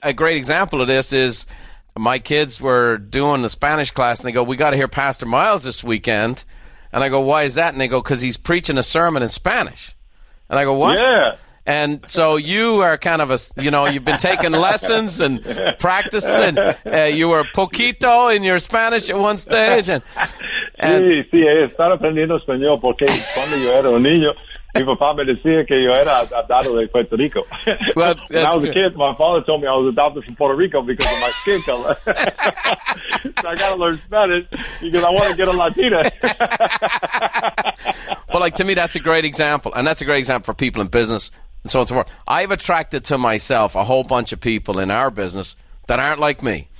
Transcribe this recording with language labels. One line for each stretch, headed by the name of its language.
English: A great example of this is my kids were doing the Spanish class, and they go, we got to hear Pastor Miles this weekend. And I go, why is that? And they go, because he's preaching a sermon in Spanish. And I go, what? Yeah. And so you are kind of a, you know, you've been taking lessons and practicing. You were poquito in your Spanish at one stage. And
Spanish: sí, sí, estar aprendiendo español porque cuando yo era un niño, mi papá me decía que yo era adoptado de Puerto Rico.
English: When I was a kid, my father told me I was adopted from Puerto Rico because of my skin color. So I got to learn Spanish because I want to get a Latina. But, like, to me, that's a great example. And that's a great example for people in business. and so on and so forth. I've attracted to myself a whole bunch of people in our business that aren't like me.